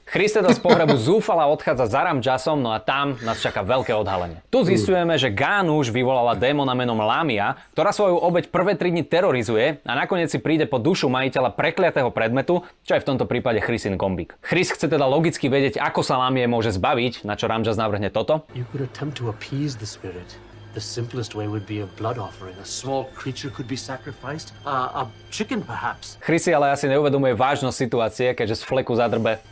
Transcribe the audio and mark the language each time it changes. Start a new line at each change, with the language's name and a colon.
Slovak: Chris teda z pohrebu zúfala odchádza za Ramjasom, no a tam nás čaká veľké odhalenie. Tu zistujeme, že Gánuš vyvolala démona menom Lamia, ktorá svoju obeť prvé 3 dni terorizuje a nakoniec si príde po dušu majiteľa prekliatého predmetu, čo je v tomto prípade Chrisin gombík. Chris chce teda logicky vedieť, ako sa Lamie môže zbaviť, na čo Ramjas navrhne toto.
English: You could attempt to appease the spirit. The simplest way would be a blood offering. A small creature could be sacrificed. A chicken perhaps.
Slovak: Chris si ale asi neuvedomuje vážnosť situácie, keďže z fleku zadrbe.